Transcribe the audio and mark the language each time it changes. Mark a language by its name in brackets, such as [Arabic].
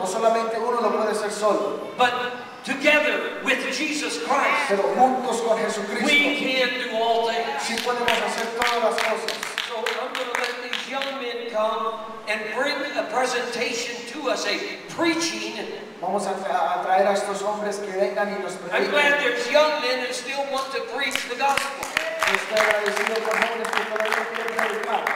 [Spanish] No solamente uno lo puede hacer solo. [English] But together with Jesus Christ, [Spanish] pero juntos con Jesucristo, [English] we can do all things. [Spanish] Sí podemos hacer todas las cosas. [English] So I'm going to let these young men come and bring a presentation to us, a preaching. [Spanish] Vamos a traer a estos hombres que vengan y nos prediquen. [English] I'm glad there's young men that still want to preach the gospel. [Spanish] Estoy agradecido con jóvenes que todavía quieren predicar.